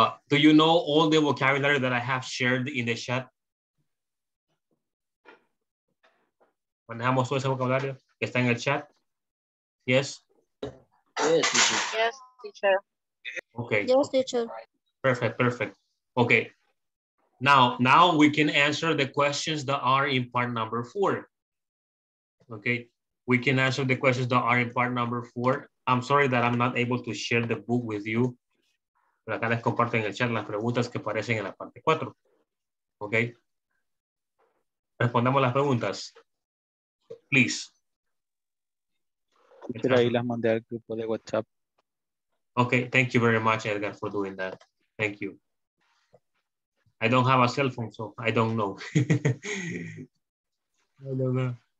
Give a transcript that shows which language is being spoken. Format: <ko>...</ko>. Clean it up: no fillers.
<en>Do you know all the vocabulary that I have shared in the chat?</en> <es>¿Manejamos todo ese vocabulario que está en el chat?</es> <en>Yes? Yes, teacher. Yes, teacher. Okay. Yes, teacher. Perfect, perfect. Okay. Now we can answer the questions that are in part number four. Okay. We can answer the questions that are in part number four. I'm sorry that I'm not able to share the book with you.</en> <es>Pero acá les comparto en el chat las preguntas que aparecen en la parte 4. Ok. Respondamos las preguntas. Please. Pero ahí las mandé al grupo de WhatsApp.</es> <en>Okay, thank you very much, Edgar, for doing that. Thank you. I don't have a cell phone, so I don't know. I don't know.</en>